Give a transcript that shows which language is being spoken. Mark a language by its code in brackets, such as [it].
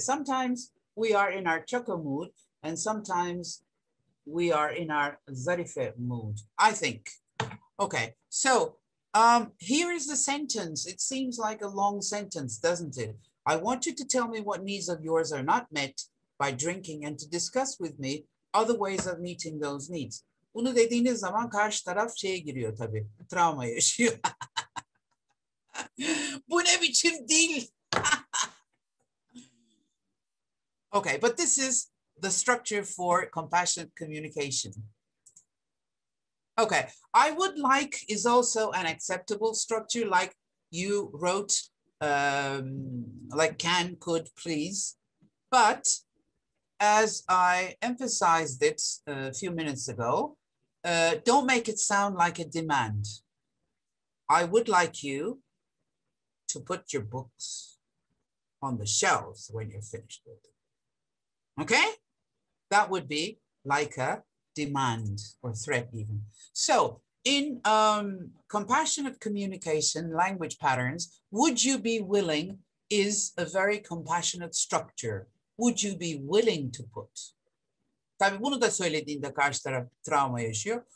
[en] Sometimes we are in our Çako mood and sometimes we are in our Zarife mood, I think. Okay, so here is the sentence. It seems like a long sentence, doesn't it? I want you to tell me what needs of yours are not met by drinking and to discuss with me other ways of meeting those needs. [tr] Bunu dediğiniz zaman karşı taraf şeye giriyor tabii. Travma yaşıyor. Bu ne biçim dil? [en] Okay, but this is the structure for compassionate communication. Okay, I would like is also an acceptable structure, like you wrote, like can, could, please. But as I emphasized it a few minutes ago, don't make it sound like a demand. I would like you to put your books on the shelves when you're finished with them. Okay? That would be like a demand or threat even. So in compassionate communication language patterns, would you be willing is a very compassionate structure. Would you be willing to put? [tr] Tabii bunu da söylediğinde karşı taraf travma yaşıyor.